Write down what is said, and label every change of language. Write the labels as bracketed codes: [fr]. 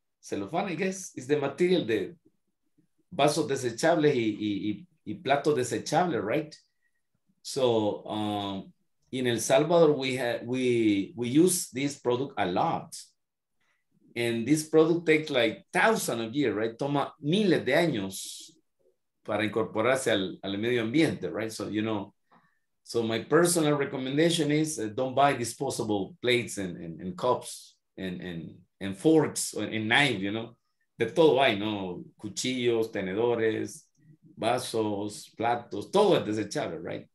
[en] Cellophane, I guess, is the material, the [es] vaso desechable y plato desechable, [en] right? So in El Salvador, we use this product a lot. And this product takes like thousands of years, right? [es] Toma miles de años para incorporarse al medio ambiente, right? [en] So, you know, so my personal recommendation is don't buy disposable plates and cups and forks and knives, you know? [es] De todo hay, ¿no? Cuchillos, tenedores, vasos, platos, todo es desechable, right?